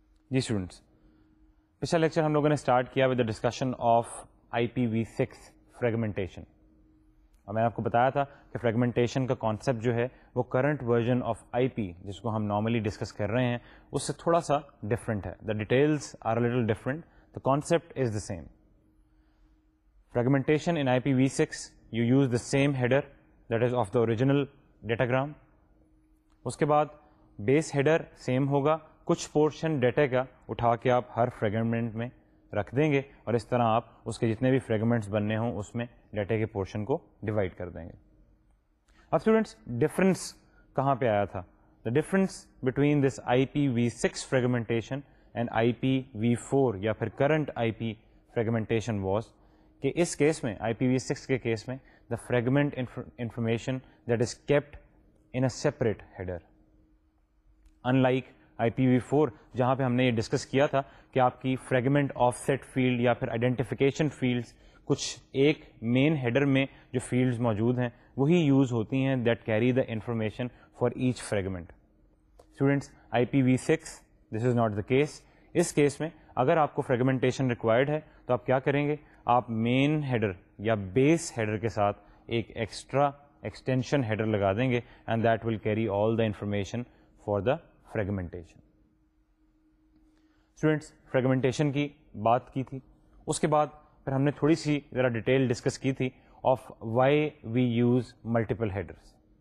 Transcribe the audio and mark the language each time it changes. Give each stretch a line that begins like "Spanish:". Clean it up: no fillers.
Urdu: جی students, پچھلا lecture ہم لوگوں نے اسٹارٹ کیا
English: with the discussion of IPv6 fragmentation,
Urdu: اور میں نے آپ کو بتایا تھا کہ فریگمنٹیشن کا کانسیپٹ جو ہے وہ کرنٹ ورژن آف IP, جس کو ہم نارملی ڈسکس کر رہے ہیں, اس سے تھوڑا سا ڈفرینٹ ہے.
English: The details are a little different, the concept is the same. Fragmentation in IPv6, you use the same header that is of the original datagram.
Urdu: اس کے بعد بیس ہیڈر سیم ہوگا, کچھ پورشن ڈیٹے کا اٹھا کے آپ ہر فریگمنٹ میں رکھ دیں گے, اور اس طرح آپ اس کے جتنے بھی فریگمنٹس بننے ہوں اس میں ڈیٹے کے پورشن کو ڈیوائڈ کر دیں گے. اب اسٹوڈنٹس, ڈفرینس کہاں پہ آیا تھا؟
English: the difference between this IPv6 fragmentation and IPv4
Urdu: یا پھر
English: current IP fragmentation was
Urdu: کہ اس کیس میں, IPv6 کے کیس میں,
English: the fragment information that is kept in a separate header,
Urdu: in like IPv4, جہاں پہ ہم نے یہ ڈسکس کیا تھا کہ آپ کی فریگمنٹ آف سیٹ فیلڈ یا پھر آئیڈینٹیفیکیشن فیلڈس کچھ ایک مین ہیڈر میں جو فیلڈس موجود ہیں وہی یوز ہوتی ہیں,
English: That carry the information for each fragment. Students, IPv6 this is not the case.
Urdu: اس case میں اگر آپ کو فریگمنٹیشن ریکوائرڈ ہے تو آپ کیا کریں گے, آپ مین ہیڈر یا بیس ہیڈر کے ساتھ ایک ایکسٹرا ایکسٹینشن ہیڈر لگا دیں گے,
English: And that will carry all the information for the fragmentation.
Urdu: Students, fragmentation کی بات کی تھی, اس کے بعد پھر ہم نے تھوڑی سی ذرا ڈیٹیل ڈسکس کی تھی
English: Of why we use multiple headers.